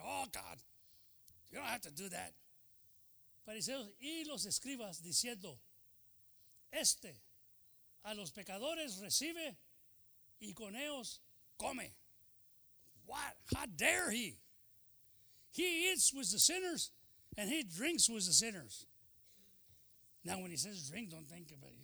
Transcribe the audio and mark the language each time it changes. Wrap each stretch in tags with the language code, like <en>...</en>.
<en>Oh, God, you don't have to do that.</en> <es>Fariseos y los escribas diciendo, este a los pecadores recibe y con ellos come.</es> <en>What? How dare he? He eats with the sinners and he drinks with the sinners. Now, when he says drink, don't think about it.</en>